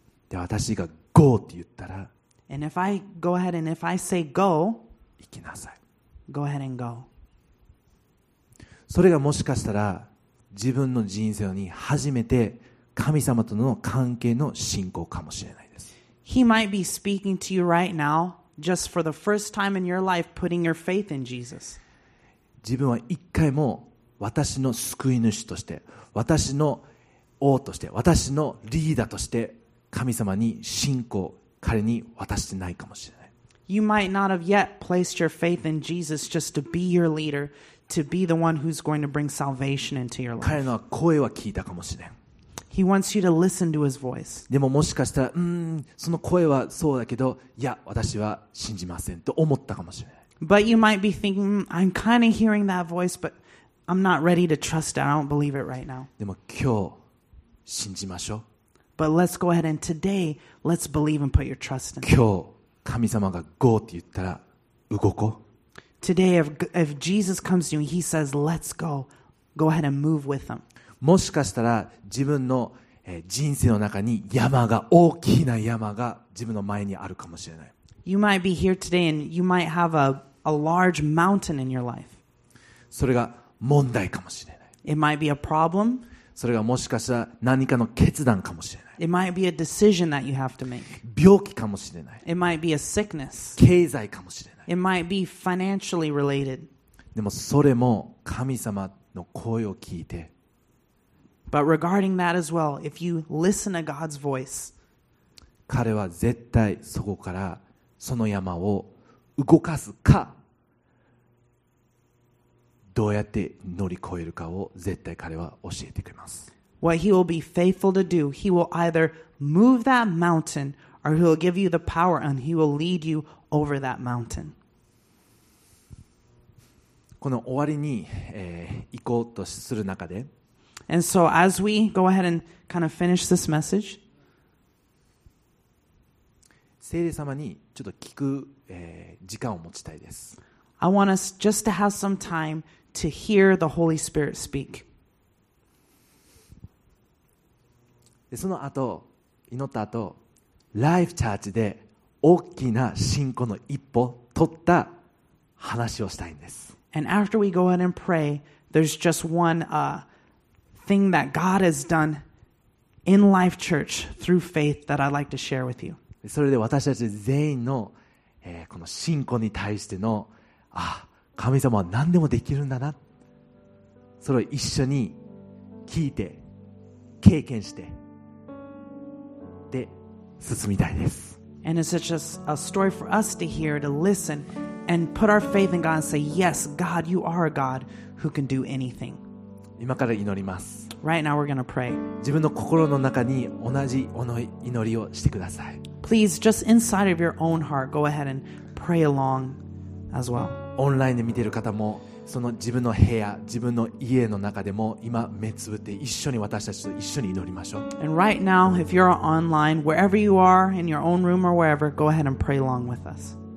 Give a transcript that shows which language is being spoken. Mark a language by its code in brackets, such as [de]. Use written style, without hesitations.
[ja] で私が Go って言ったら [en] And if I go ahead and if I say go, [ja] 行きなさい。 [en] Go ahead and go. [ja] それがもしかしたら自分の人生に初めて神様との関係の信仰かもしれないです。 [en] He might be speaking to you right now, just for the first time in your life, putting your faith in Jesus. [ja] 自分は一回も私の救い主として、私の王として、私のリーダーとして神様に信仰彼に渡してないかもしれない。 [en] You might not have yet placed your faith in Jesus just to be your leader, to be the one who's going to bring salvation into your life. [ja] 彼の声は聞いたかもしれん。 [en] He wants you to listen to his voice. [ja] でももしかしたら、その声はそうだけど、いや、私は信じませんと思ったかもしれない。 [en] But you might be thinking, I'm kind of hearing that voice, but I'm not ready to trust it. I don't believe it right now. [ja] でも今日信じましょう。 [en] But let's go ahead and today, let's believe and put your trust in. [ja] 今日神様がゴーって言ったら動こう。 [en] Today, if Jesus comes to you, he says, let's go. Go ahead and move with him. [ja] もしかしたら自分の人生の中に山が大きな山が自分の前にあるかもしれない。 [en] You might be here today and you might have a large mountain in your life. [ja] それが問題かもしれない。 [en] It might be a problem. [ja] それがもしかしたら何かの決断かもしれない。 [en] It might be a decision that you have to make. [ja] 病気かもしれない。 [en] It might be a sickness. [ja] 経済かもしれない。 [en] It might be financially related. [ja] でもそれも神様の声を聞いて。 [en] But regarding that as well, if you listen to God's voice, [ja] 彼は絶対そこからその山を動かすか、どうやって乗り越えるかを絶対彼は教えてくれます。 [en] What he will be faithful to do, he will either move that mountain or he will give you the power and he will lead you over that mountain. [ja] この終わりに、行こうとする中で、 [en] And so as we go ahead and kind of finish this message, [ja] 聖霊様にちょっと聞く、時間を持ちたいです。 [en] I want us just to have some time to hear the Holy Spirit speak. [ja] で、その後、祈った後、Life Church で大きな信仰の一歩取った話をしたいんです。 [en] And after we go ahead and pray, there's just one, thing that God has done in Life Church through faith that I'd like to share with you. [ja] それで私たち全員の、この信仰に対しての、神様は何でもできるんだな。それを一緒に聞いて、経験して、で、進みたいです。 [en] And it's such a story for us to hear, to listen, and put our faith in God and say, Yes, God, you are a God who can do anything. [ja] 今から祈ります。 [en] Right now we're gonna pray. [ja] 自分の心の中に同じ祈りをしてください。 [en] Please, just inside of your own heart, go ahead and pray along as well. [ja] オンラインで見ている方も、その自分の部屋、自分の家の中でも、今目つぶって一緒に私たちと一緒に祈りましょう。 [en] And right now, if you're online, wherever you are, in your own room or wherever, go ahead and pray along with us.